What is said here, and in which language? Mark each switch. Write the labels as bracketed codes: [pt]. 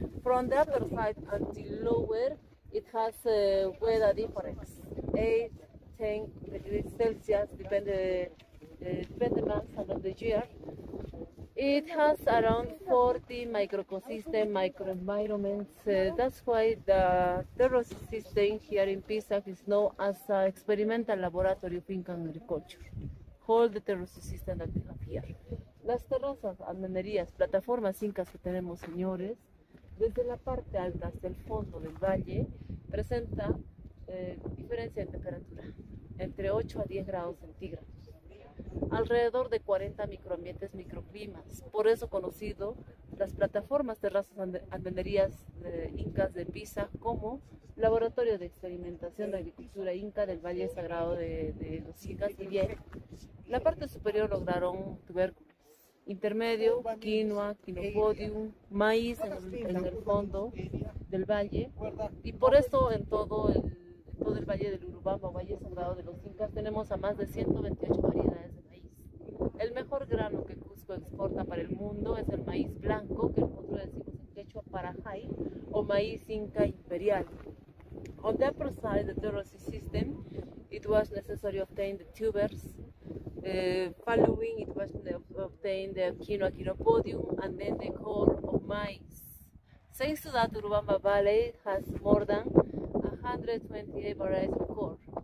[en] From the upper side until lower, it has a weather difference, 8-10 degrees Celsius, depending month and of the year. It has around 40 microcosystems, microenvironments. That's why the terrace system here in Pisac is known as an experimental laboratory of Incan agriculture. All the terrace system that we have here. [es] Las terrazas, almenerías, plataformas incas que tenemos, señores, desde la parte alta hasta el fondo del valle, presenta diferencia de temperatura entre 8 a 10 grados centígrados. Alrededor de 40 microambientes, microclimas, por eso conocido las plataformas, terrazas, almenerías incas de Pisa como laboratorio de experimentación de agricultura inca del Valle Sagrado de los Incas. Y bien, la parte superior lograron tubérculos, intermedio, quinoa, quinopodium, maíz en el fondo del valle, y por eso en todo el Valle del Urubamba, Valle Sagrado de los Incas, tenemos a más de 128 variedades. El mejor grano que Cusco exporta para el mundo es el maíz blanco, que nosotros decimos en quechua parajay, o maíz inca imperial. [en] On the upper side of the terrace system, it was necessary to obtain the tubers. Following, it was obtained the quinoa quinopodium, and then the core of maize. Thanks to that, Urubamba Valley has more than 128 varieties of core.